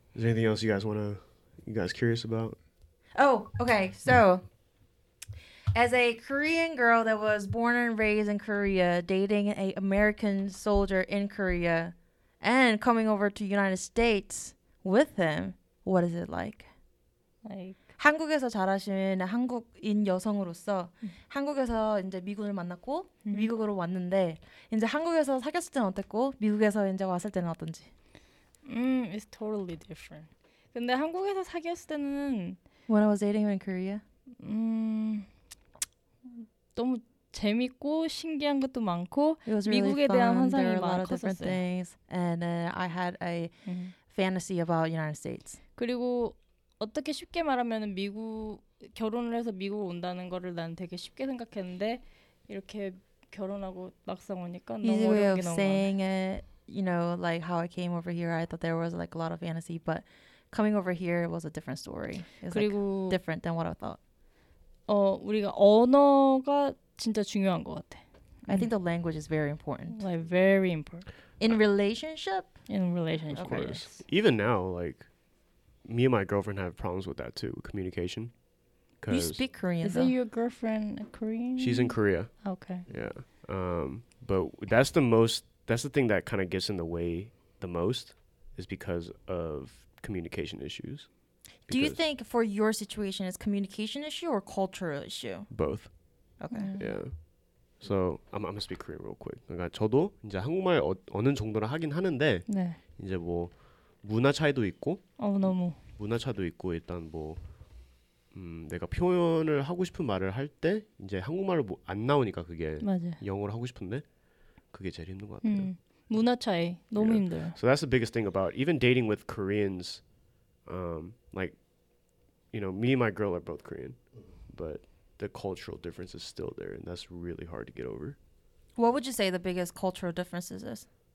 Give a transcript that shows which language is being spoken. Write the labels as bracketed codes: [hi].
[en] Is there anything else you guys curious about? Oh, okay, so. As a Korean girl that was born and raised in Korea, dating an American soldier in Korea, and coming over to United States with him, what is it like? [ko] 한국에서 자라신 한국인 여성으로서 한국에서 이제 미군을 만났고 미국으로 왔는데 이제 한국에서 사귀었을 때는 어땠고 미국에서 이제 왔을 때는 어떤지? [en] It's totally different. [ko] 근데 한국에서 사귀었을 때는 [en] When I was dating him in Korea? [ko] 너무 재밌고 신기한 것도 많고 미국에 대한 환상이 많았었어요. [en] And I had a fantasy about United States. [ko] 그리고 어떻게 쉽게 말하면 미국 결혼을 해서 미국 온다는 거를 난 되게 쉽게 생각했는데 이렇게 결혼하고 막상 오니까 너무 어려운 게 너무 [en] saying it, you know, like how I came over here, I thought there was like a lot of fantasy, but coming over here was a different story. It's like different than what I thought. [ko] 우리가 언어가 진짜 중요한 것 같아. [en] I think the language is very important. Like, very important. In relationship? In relationship, of course. Even now, like, me and my girlfriend have problems with that too, communication. You speak Korean, isn't though. Isn't your girlfriend Korean? She's in Korea. Okay. Yeah. But that's the thing that kind of gets in the way the most is because of communication issues. Do you think for your situation it's communication issue or cultural issue? Both. Okay. Yeah. So I'm gonna speak Korean real quick. [ko] 그러니까 저도 이제 한국말 어느 정도는 하긴 하는데 네. 이제 뭐 문화 차이도 있고. 너무. 문화 차도 있고 일단 뭐 내가 표현을 하고 싶은 말을 할 때 이제 한국말로 뭐 안 나오니까 그게 맞아. 영어로 하고 싶은데 그게 제일 힘든 것 같아요. 문화 차이 너무 yeah. 힘들어요. [en] So that's the biggest thing about even dating with Koreans. Like, you know, me and my girl are both Korean, but the cultural difference is still there, and that's really hard to get over. What would you say the biggest cultural differences is?